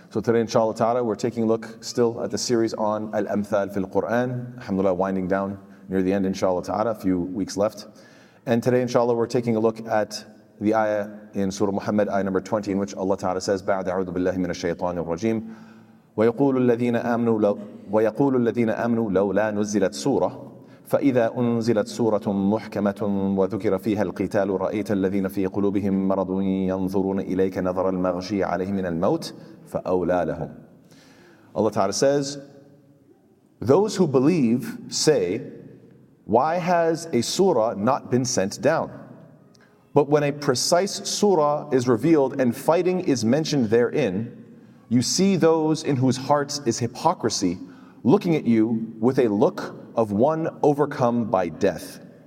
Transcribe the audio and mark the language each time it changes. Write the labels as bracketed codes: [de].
[en] So today, inshallah ta'ala, we're taking a look still at the series on Al-Amthal fil Qur'an. Alhamdulillah, winding down near the end, inshallah ta'ala, a few weeks left. And today, inshallah, we're taking a look at the ayah in Surah Muhammad, ayah number 20, in which Allah ta'ala says, [ar] بَعْدَ عُوذُ بِاللَّهِ مِنَ الشَّيْطَانِ الرَّجِيمِ وَيَقُولُ الَّذِينَ آمَنُوا لَوْلَا نُزِّلَتْ سُورَةٌ فَإِذَا أُنزِلَتْ سُورَةٌ مُحْكَمَةٌ وَذُكِرَ فِيهَا الْقِتَالُ رَأَيْتَ الَّذِينَ فِي قُلُوبِهِمْ مَرَضٌ يَنْظُرُونَ إِلَيْكَ نَظَرَ الْمَغْشِيِّ عَلَيْهِ مِنَ الْمَوْتِ فَأَوْلَى لَهُمْ. [en] Allah Ta'ala says, those who believe say, why has a surah not been sent down? But when a precise surah is revealed and fighting is mentioned therein, you see those in whose hearts is hypocrisy looking at you with a look of one overcome by death.